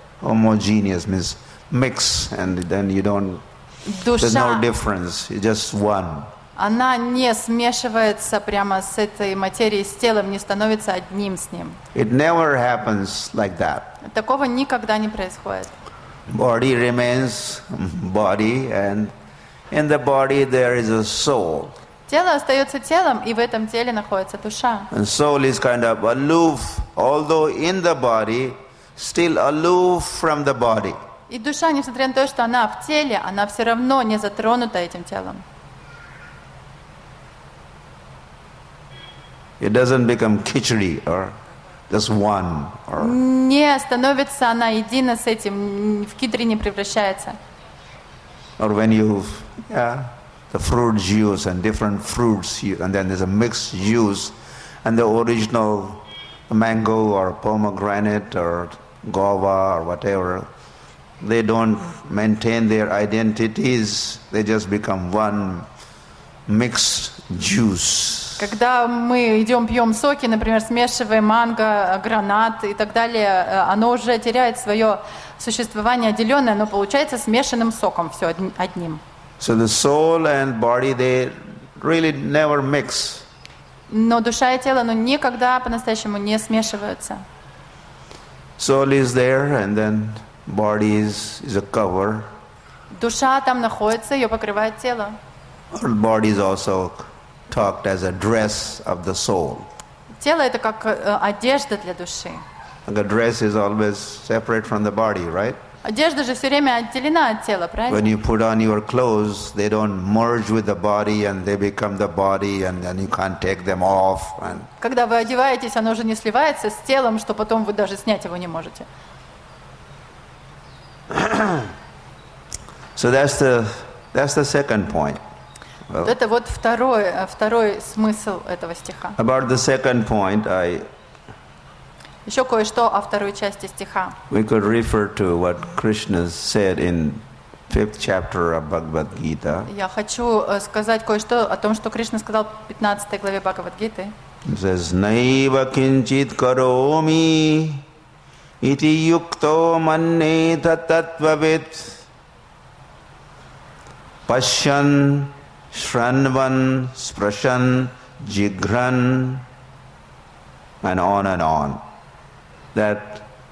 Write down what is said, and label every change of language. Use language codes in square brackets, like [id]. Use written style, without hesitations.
[en] Homogeneous means mix, and then you don't. [ru] Душа, [en] there's no difference. It's just one. [ru] Она не смешивается прямо с этой материей, с телом, не становится одним с ним. [en] It never happens like that. [ru] Такого никогда не происходит. [en] Body remains body, and in the body there is a soul. [ru] Тело остается телом, и в этом теле находится душа. [en] And soul is kind of aloof, although in the body, still aloof from the body. [ru] И душа, несмотря на то, что она в теле, она все равно не затронута этим телом. [en] It doesn't become khichdi or just one. [ru] Не становится она едина с этим, в кидри не превращается. [en] Or when you, the fruit juice and different fruits, and then there's a mixed juice, and the original mango or pomegranate or guava or whatever, they don't maintain their identities, they just become one mixed juice. [ru] Когда мы идем, пьем соки, например, смешиваем манго, гранат и так далее, оно уже теряет свое существование отделенное, оно получается смешанным соком, все одним. [en] So the soul and body, they really never mix. [ru] Но душа и тело, оно никогда по-настоящему не смешиваются. [en] Soul is there, and then body is a cover. [ru] Душа там находится, ее покрывает тело. [en] Our body is also talked as a dress of the soul. [ru] Тело это как одежда для души. [en] The dress is always separate from the body, right? [ru] Одежда же все время отделена от тела, правильно? [en] When you put on your clothes, they don't merge with the body, and they become the body, and then you can't take them off. [ru] Когда вы одеваетесь, оно уже не сливается с телом, что потом вы даже снять его не можете. [en] So that's the second point. [ru] Это вот второй смысл этого стиха. [en] About the second point, [ru] еще кое-что о второй части стиха. [en] We could refer to what Krishna said in fifth chapter of Bhagavad Gita. [ru] Я хочу сказать кое-что о том, что Кришна сказал в 15 главе Бхагавад Гиты. [sa] Says naiva kinchit karomi iti yukto manne tatvavit pashyan shranvan sprashan jigran [en] and on that